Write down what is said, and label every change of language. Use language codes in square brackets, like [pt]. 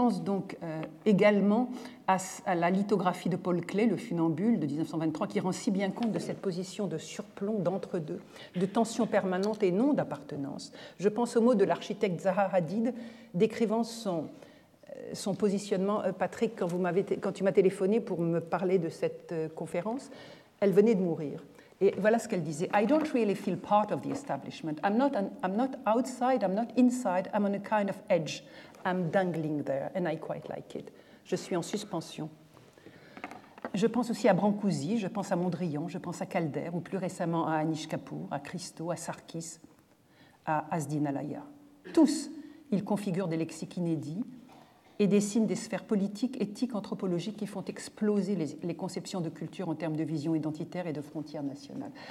[fr] Je pense également à la lithographie de Paul Klee, le funambule de 1923, qui rend si bien compte de cette position de surplomb, d'entre-deux, de tension permanente et non d'appartenance. Je pense au mot de l'architecte Zaha Hadid, décrivant son positionnement. Patrick, quand tu m'as téléphoné pour me parler de cette conférence, elle venait de mourir. Et voilà ce qu'elle disait. [en] « I don't really feel part of the establishment. I'm not outside, I'm not inside, I'm on a kind of edge. I'm dangling there, and I quite like it. » [fr] Je suis en suspension. Je pense aussi à Brancusi, je pense à Mondrian, je pense à Calder, ou plus récemment à Anish Kapoor, à Christo, à Sarkis, à Azdin Alaïa. Tous, ils configurent des lexiques inédits et dessinent des sphères politiques, éthiques, anthropologiques qui font exploser les conceptions de culture en termes de vision identitaire et de frontières nationales.